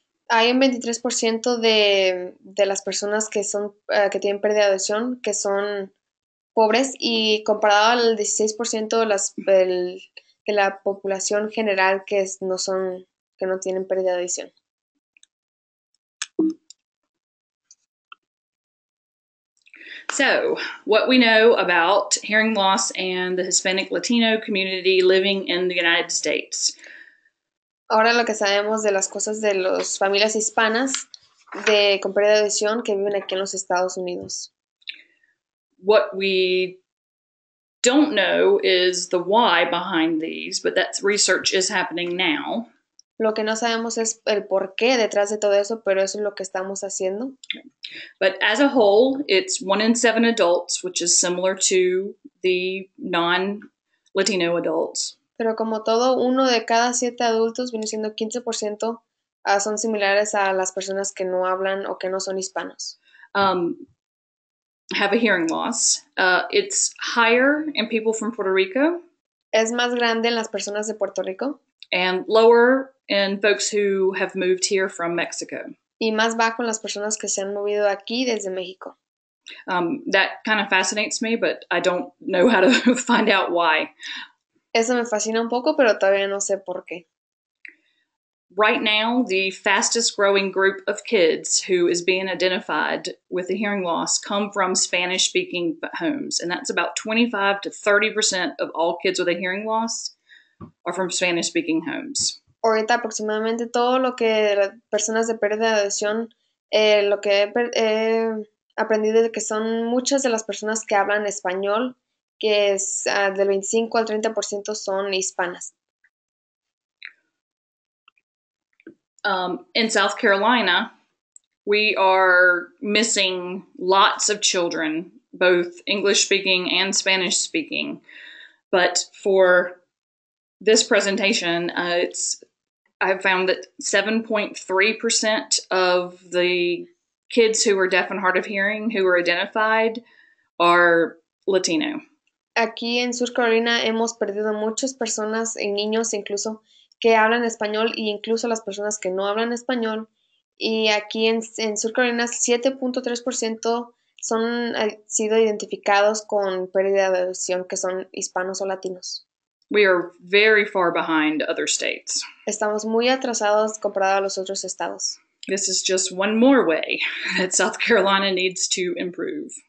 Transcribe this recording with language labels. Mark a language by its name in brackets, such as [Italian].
[Spanish] Hay un 23% de las personas que son que tienen pérdida de audición que son pobres y comparado al 16% de la población general que no tienen pérdida de audición. [English] So, what we know about hearing loss and the Hispanic Latino community living in the United States. [Spanish] Ahora lo que sabemos de las cosas de las familias hispanas con pérdida de audición que viven aquí en los Estados Unidos. [English] What we don't know is the why behind these, but that research is happening now. [Spanish] Lo que no sabemos es el porqué detrás de todo eso, pero eso es lo que estamos haciendo. [English] But as a whole, it's 1 in 7 adults, which is similar to the non-Latino adults. [Spanish] Pero como todo, 1 de cada 7 adultos viene siendo 15%, son similares a las personas que no hablan o que no son hispanos. [English] Have a hearing loss. It's higher in people from Puerto Rico. [Spanish] Es más grande en las personas de Puerto Rico. [English] and lower in folks who have moved here from Mexico. [Spanish] Y más bajo en las personas que se han movido aquí desde México. [English] That kind of fascinates me, but I don't know how to find out why. [Spanish] Eso me fascina un poco, pero todavía no sé por qué. [English] Right now, the fastest growing group of kids who is being identified with a hearing loss come from Spanish-speaking homes, and that's about 25 to 30% of all kids with a hearing loss are from Spanish-speaking homes. [Spanish] Ahorita aproximadamente todo lo que personas de pérdida de audición, lo que he aprendido es que son muchas de las personas que hablan español, que es del 25 al 30% son hispanas. [English] In South Carolina, we are missing lots of children, both English-speaking and Spanish-speaking. But for this presentation, I've found that 7.3% of the kids who are deaf and hard of hearing who are identified are Latino. [Spanish] Aquí en Sur Carolina hemos perdido muchas personas y niños incluso que hablan español e incluso las personas que no hablan español. Y aquí en Sur Carolina 7.3% han sido identificados con pérdida de audición que son hispanos o latinos. [English] We are very far behind other states. [Spanish] Estamos muy atrasados comparado a los otros estados. [English] This is just one more way that South Carolina needs to improve.